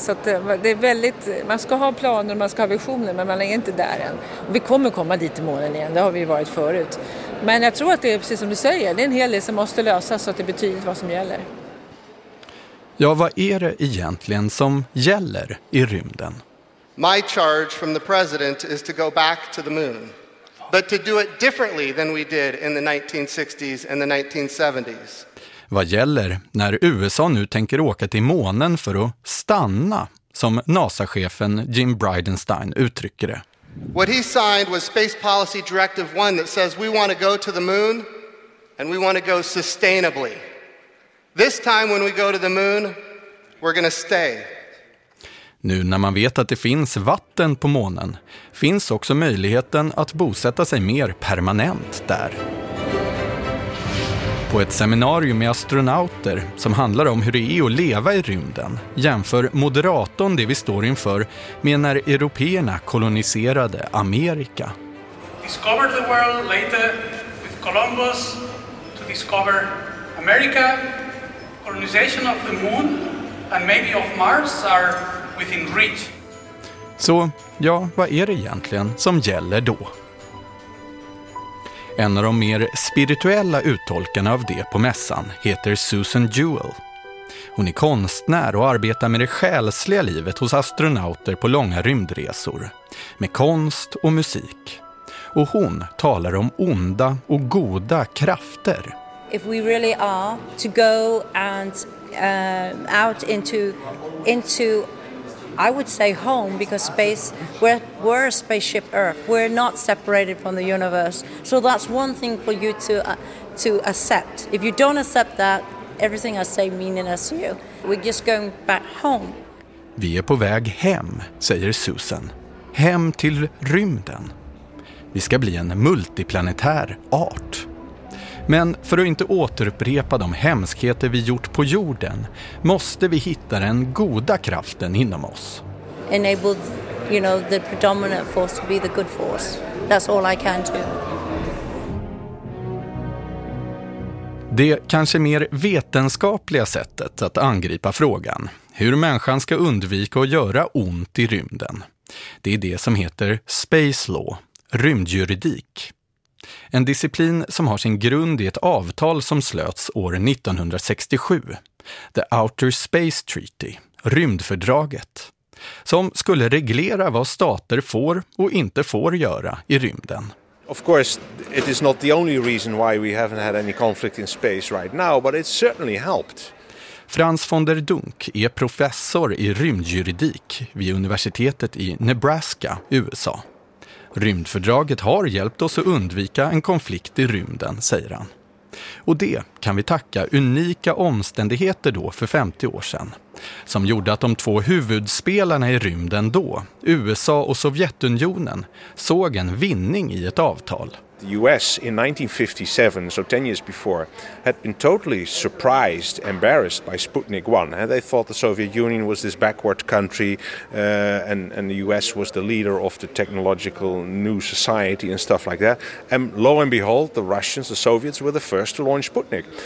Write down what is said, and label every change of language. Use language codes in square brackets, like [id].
[sv] Så att det är väldigt, man ska ha planer och man ska ha visioner, men man är inte där än. Och vi kommer komma dit till månen igen, det har vi varit förut. Men jag tror att det är precis som du säger, det är en hel del som måste lösas så att det betyder vad som gäller. Ja, vad är det egentligen som gäller i rymden? [en] My charge from the president is to go back to the moon. But to do it differently than we did in the 1960s and the 1970s. [sv] Vad gäller när USA nu tänker åka till månen för att stanna, som NASA-chefen Jim Bridenstine uttrycker det. [en] What he signed was Space Policy Directive 1 that says we want to go to the moon and we want to go sustainably. This time when we go to the moon, we're going to stay. [sv] Nu när man vet att det finns vatten på månen finns också möjligheten att bosätta sig mer permanent där. På ett seminarium med astronauter som handlar om hur det är att leva i rymden jämför moderatorn det vi står inför med när européerna koloniserade Amerika. [en] Discovered the world later with Columbus to discover America. Colonization of the moon and maybe of Mars are within reach. [sv] Så, ja, vad är det egentligen som gäller då? En av de mer spirituella uttolkarna av det på mässan heter Susan Jewell. Hon är konstnär och arbetar med det själsliga livet hos astronauter på långa rymdresor. Med konst och musik. Och hon talar om onda och goda krafter. [en] If we really are to go and out into I would say home, because space, we're a spaceship Earth. We're not separated from the universe. So that's one thing for you to accept. If you don't accept that, everything I say meaningless to you. We're just going back home. [sv] Vi är på väg hem, säger Susan. Hem till rymden. Vi ska bli en multiplanetär art. Men för att inte återupprepa de hemskheter vi gjort på jorden måste vi hitta den goda kraften inom oss. [en] Enable, you know, the predominant force to be the good force. That's all I can do. [sv] Det kanske mer vetenskapliga sättet att angripa frågan, hur människan ska undvika att göra ont i rymden. Det är det som heter space law, rymdjuridik. En disciplin som har sin grund i ett avtal som slöts år 1967. [en] The Outer Space Treaty, rymdfördraget. [sv] Som skulle reglera vad stater får och inte får göra i rymden. [en] Of course, it is not the only reason why we haven't had any conflict in space right now, but it certainly helped. [sv] Frans von der Dunk är professor i rymdjuridik vid universitetet i Nebraska, USA. Rymdfördraget har hjälpt oss att undvika en konflikt i rymden, säger han. Och det kan vi tacka unika omständigheter då för 50 år sedan. Som gjorde att de två huvudspelarna i rymden då, USA och Sovjetunionen, såg en vinning i ett avtal. [en] The US in 1957, so 10 years before, had been totally surprised, embarrassed by Sputnik 1. And they thought the Soviet Union was this backward country and the US was the leader of the technological new society and stuff like that. And lo and behold, the Russians, the Soviets were the first to launch Sputnik.